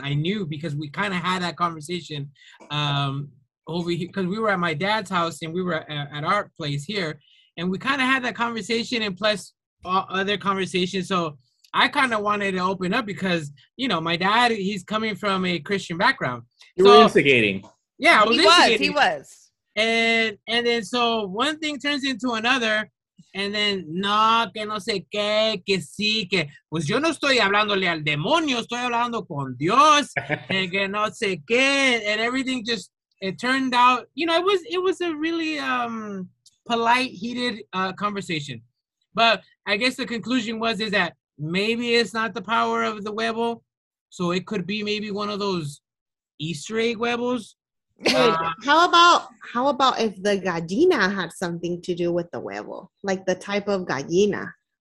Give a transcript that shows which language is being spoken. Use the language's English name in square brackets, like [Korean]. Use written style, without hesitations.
[English] I knew because we kind of had that conversation. Over here, because we were at my dad's house and we were at our place here, and we kind of had that conversation and plus other conversations. So I kind of wanted to open up because, you know, my dad, he's coming from a Christian background. You were instigating. Yeah, he was instigating. He was. And then so one thing turns into another, and then no, [Spanish] que no sé qué, que sí, que pues yo no estoy hablándole al demonio, estoy hablando con Dios, and que no sé qué, [English] and everything just. It turned out, you know, it was a really polite, heated conversation. But I guess the conclusion is that maybe it's not the power of the huevo. So it could be maybe one of those Easter egg huevos. How about if the gallina had something to do with the huevo? Like the type of gallina?